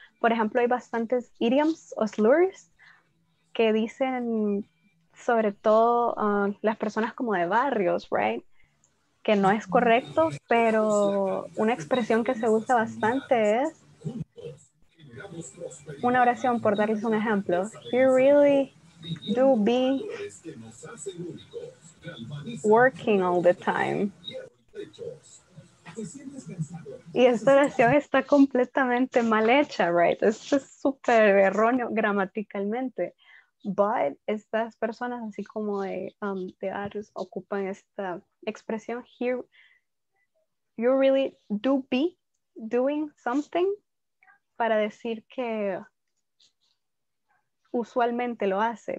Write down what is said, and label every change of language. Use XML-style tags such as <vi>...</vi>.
<es>Por ejemplo, hay bastantes idioms o slurs que dicen sobre todo las personas como de barrios, right? Que no es correcto, pero una expresión que se usa bastante es una oración, por darles un ejemplo.</es> <en>He really do be working all the time.</en> <es>Y esta oración está completamente mal hecha, right? Esto es súper erróneo gramaticalmente. But estas personas así como de Aries ocupan esta expresión.</es> <en>Here, you really do be doing something</en> <es>para decir que usualmente lo hace.</es>